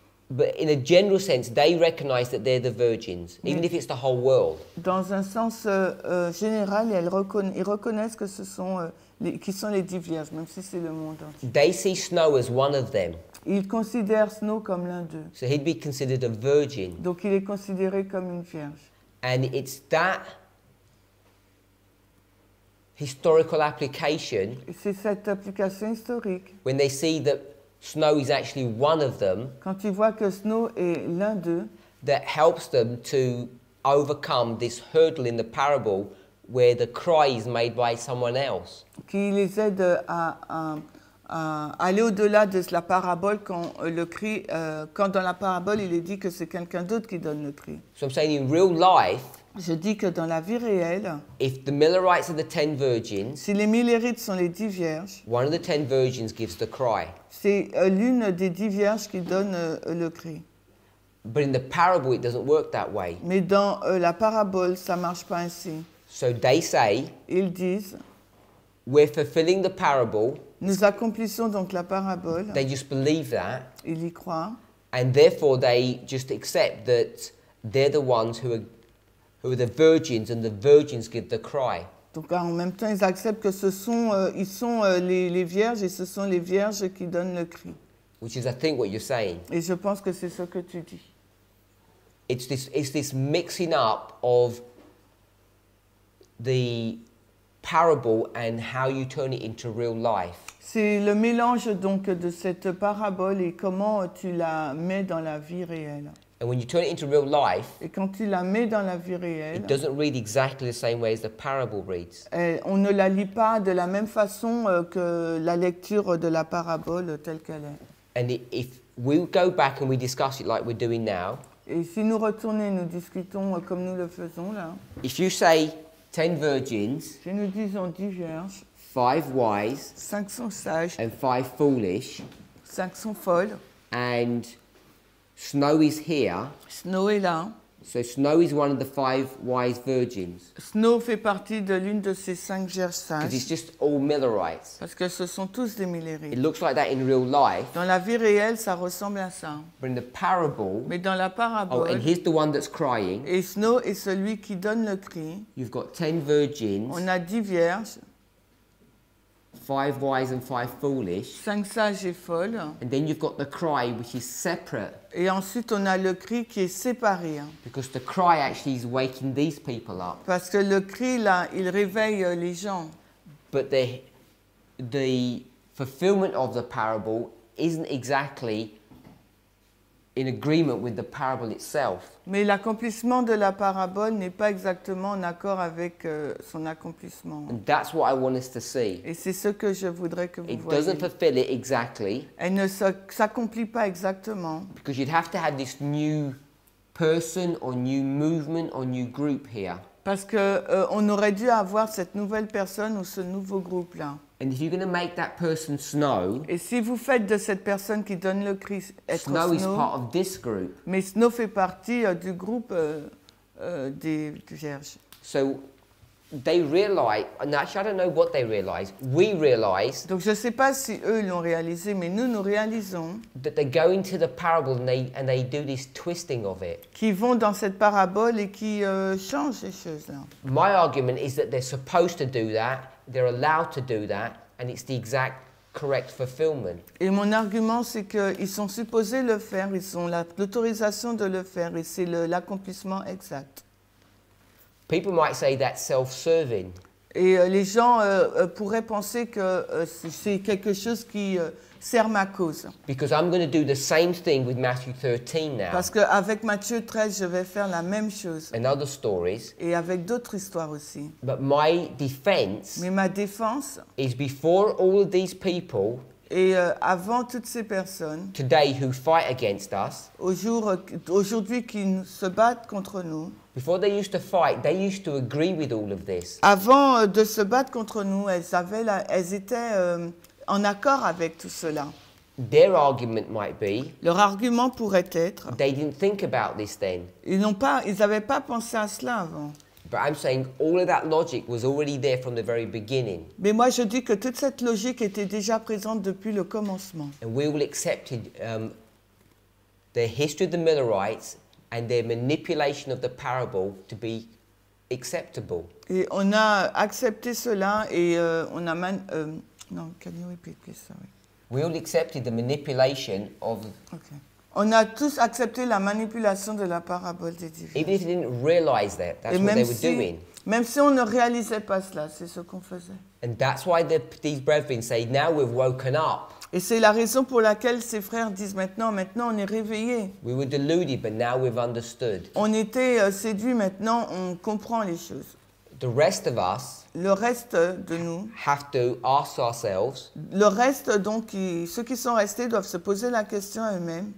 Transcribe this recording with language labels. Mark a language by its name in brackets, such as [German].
[English] But in a general sense, they recognize that they're the virgins, mais even if it's the whole world. [French] Dans un sens général, ils reconnaissent que ce sont qui sont les dix vierges, même si c'est le monde entier. [English] They see Snow as one of them. [French] Ils considèrent Snow comme l'un d'eux. [English] So he'd be considered a virgin. [French] Donc il est considéré comme une vierge. [English] And it's that historical application. [French] C'est cette application historique. [English] When they see that Snow is actually one of them. [French] Quand ils voient que Snow est l'un d'eux. [English] That helps them to overcome this hurdle in the parable. Where the cry is made by someone else. [French] Qui les aide à aller au-delà de la parabole quand le cri quand dans la parabole il est dit que c'est quelqu'un d'autre qui donne le cri. [English] So I'm saying in real life. [French] Je dis que dans la vie réelle. [English] If the Millerites are the 10 virgins. [French] Si les Millerites sont les 10 vierges. [English] One of the 10 virgins gives the cry. [French] C'est l'une des 10 vierges qui donne le cri. [English] But in the parable, it doesn't work that way. [French] Mais dans la parabole, ça marche pas ainsi. [English] So they say, [French] ils disent, [English] we're fulfilling the parable. [French] Nous accomplissons donc la parabole. [English] They just believe that. [French] Ils y croient. [English] And therefore they just accept that they're the ones who are the virgins, and the virgins give the cry. [French] Donc en même temps ils acceptent que ce sont ils sont les vierges et ce sont les vierges qui donnent le cri. [English] Which is I think what you're saying. [French] Et je pense que c'est ce que tu dis. [English] It's this mixing up of the parable and how you turn it into real life. [French] C'est le mélange donc de cette parabole et comment tu la mets dans la vie réelle. [English] And when you turn it into real life, [French] et quand tu la mets dans la vie réelle, [English] it doesn't read exactly the same way as the parable reads. [French] On ne la lit pas de la même façon que la lecture de la parabole telle qu'elle est. [English] And if we go back and we discuss it like we're doing now, [French] et si nous retournons, nous discutons comme nous le faisons là. [English] If you say 10 virgins, [French] si nous disons 10 vierges, [English] 5 wise, [French] 5 sont sages, [English] and 5 foolish, [French] 5 sont folles, [English] and Snow is here, [French] Snow est là, [English] so Snow is one of the 5 wise virgins. [French] Snow fait partie de l'une de ces 5 vierges sages. [English] Because it's just all Millerites. [French] Parce que ce sont tous des Millerites. [English] It looks like that in real life. [French] Dans la vie réelle, ça ressemble à ça. [English] But in the parable, [French] mais dans la parabole, [English] oh, and he's the one that's crying. [French] Et Snow est celui qui donne le cri. [English] You've got 10 virgins. [French] On a 10 vierges. [English] 5 wise and 5 foolish. [French] 5 sages et folles. [English] And then you've got the cry which is separate. [French] Et ensuite on a le cri qui est séparé. [English] Because the cry actually is waking these people up. [French] Parce que le cri là, il réveille les gens. [English] But the fulfillment of the parable isn't exactly in agreement with the parable itself. [French] Mais l'accomplissement de la parabole n'est pas exactement en accord avec son accomplissement. [English] And that's what I want us to see. [French] Et c'est ce que je voudrais que vous voyiez. [English] It doesn't fulfill it exactly. [French] Elle ne s'accomplit pas exactement. [English] Because you'd have to have this new person or new movement or new group here. [French] Parce que on aurait dû avoir cette nouvelle personne ou ce nouveau groupe là. [English] And if you're going to make that person snow, [French] et si vous faites de cette personne qui donne le Christ être [English] snow, snow is part of this group. [French] Mais snow fait partie du groupe des vierges. [English] So they realize, and actually I don't know what they realize. We realize. [French] Donc je sais pas si eux l'ont réalisé, mais nous réalisons. [English] That they go into the parable and they do this twisting of it. [French] Qui vont dans cette parabole et qui changent ces choses-là. [English] My argument is that they're supposed to do that. They're allowed to do that, and it's the exact correct fulfillment. [French] Et mon argument, c'est qu'ils sont supposés le faire, ils ont l'autorisation de le faire, et c'est l'accomplissement exact. [English] People might say that's self-serving. [French] Et les gens pourraient penser que c'est quelque chose qui sert ma cause. [English] Because I'm going to do the same thing with Matthew 13 now. [French] Parce qu'avec Matthieu 13, je vais faire la même chose. [English] And other stories. [French] Et avec d'autres histoires aussi. [English] But my defense. [French] Mais ma défense. [English] Is before all of these people. [French] Et avant toutes ces personnes. [English] Today who fight against us. [French] Aujourd'hui qui se battent contre nous. [English] Before they used to fight, they used to agree with all of this. [French] Avant de se battre contre nous, elles étaient en accord avec tout cela. [English] Their argument might be. [French] Leur argument pourrait être. [English] They didn't think about this then. [French] Ils n'avaient pas pensé à cela avant. [English] But I'm saying all of that logic was already there from the very beginning. [French] Mais moi je dis que toute cette logique était déjà présente depuis le commencement. [English] And we all accepted the history of the Millerites. And their manipulation of the parable to be acceptable. [French] Et on a accepté cela et on a man. [English] Non, can you repeat, please? Sorry. We all accepted the manipulation of. [French] Okay. On a tous accepté la manipulation de la parabole des divers. [English] Even if they didn't realize that, that's [French] et [English] what they were doing. [French] Même si on ne réalisait pas cela, c'est ce qu'on faisait. [English] And that's why these brethren say, now we've woken up. [French] Et c'est la raison pour laquelle ces frères disent maintenant on est réveillés. [English] We were deluded, but now we've understood. [French] On était séduits, maintenant on comprend les choses. [English] The rest of us. [French] Le reste de nous. [English] Have to ask ourselves. [French] Le reste donc, ceux qui sont restés doivent se poser la question eux-mêmes.